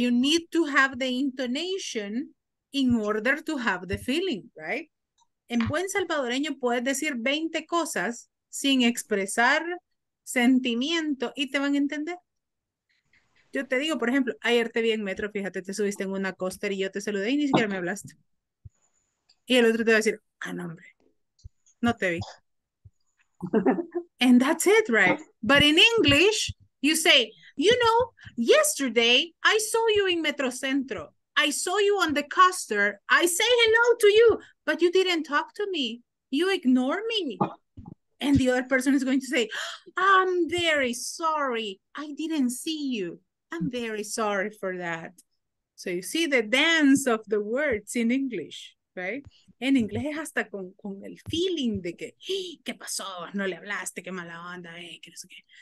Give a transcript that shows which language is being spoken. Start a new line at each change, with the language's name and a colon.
English: You need to have the intonation in order to have the feeling, right?
Spanish: En buen salvadoreño puedes decir 20 cosas sin expresar sentimiento y te van a entender. Yo te digo, por ejemplo, ayer te vi en metro, fíjate, te subiste en una coaster y yo te saludé y ni siquiera me hablaste. Y el otro te va a decir, ah, no, hombre, no te vi.
English: And that's it, right? But in English, you say, you know, yesterday I saw you in Metro Centro. I saw you on the coaster. I say hello to you, but you didn't talk to me. You ignore me. And the other person is going to say, I'm very sorry. I didn't see you. I'm very sorry for that. So you see the dance of the words in English, right?
Spanish: En inglés es hasta con el feeling de que, ¿qué pasó? No le hablaste, qué mala onda, qué no sé qué.